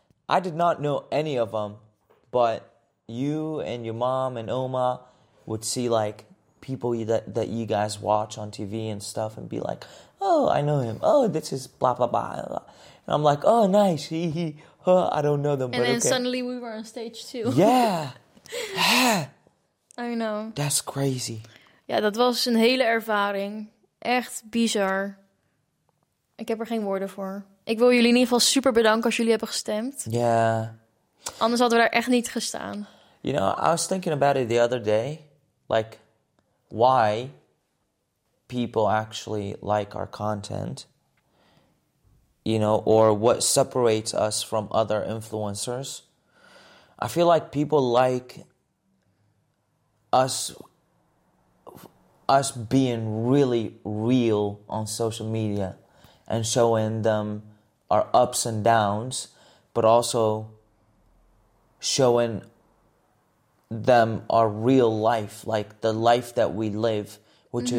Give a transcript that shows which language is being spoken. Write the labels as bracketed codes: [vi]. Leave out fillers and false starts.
[en] I did not know any of them, but you and your mom and Oma, would see like people that you guys watch on TV and stuff and be like, oh, I know him. Oh, this is blah, blah, blah. And I'm like, oh, nice. I don't know them. And then suddenly we were on stage too. Yeah. I know. That's crazy. [nl] Ja, dat was een hele ervaring. Echt bizar. Ik heb er geen woorden voor. Ik wil jullie in ieder geval super bedanken als jullie hebben gestemd. Ja. Yeah. Anders hadden we daar echt niet gestaan. [en] You know, I was thinking about it the other day. Like, why people actually like our content. You know, or what separates us from other influencers. I feel like people like us being really real on social media and showing them our ups and downs, but also showing them our real life, like the life that we live, which mm-hmm.